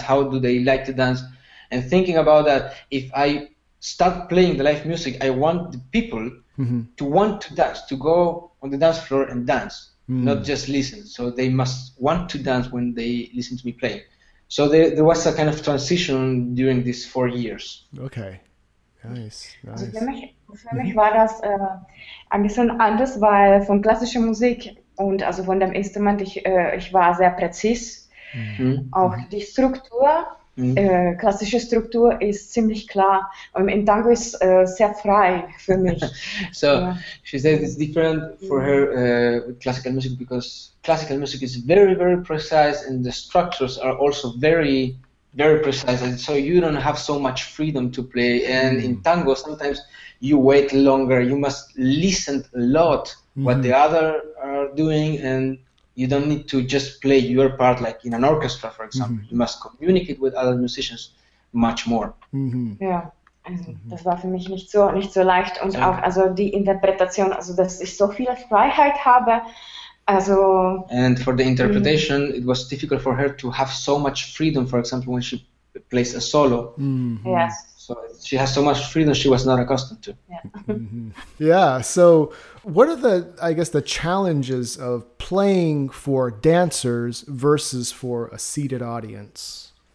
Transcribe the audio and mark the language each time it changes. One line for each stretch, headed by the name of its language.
English: How do they like to dance? And thinking about that, if I start playing the live music, I want the people to want to dance, to go on the dance floor and dance, not just listen. So they must want to dance when they listen to me play. So there was a kind of transition during these 4 years. Okay, nice.
German: Für mich war das ein bisschen anders, weil von klassischer Musik und also von dem Instrument, ich war sehr präzis. Auch die Struktur. Klassische Struktur ist ziemlich klar. In Tango ist sehr frei für mich.
English: So, she says it's different for her with classical music because classical music is very, very precise and the structures are also very, very precise. And so you don't have so much freedom to play. And in tango, sometimes you wait longer. You must listen a lot what the other are doing and you don't need to just play your part like in an orchestra, for example. You must communicate with other musicians much more.
German: Ja, das war für mich nicht so leicht. Und auch also die Interpretation, also dass ich so viel Freiheit habe. Also,
English: and for the interpretation, it was difficult for her to have so much freedom, for example, when she plays a solo. Yes. So she has so much freedom she was not accustomed to. Yeah. Yeah. So what are the challenges of playing for dancers versus for a seated audience?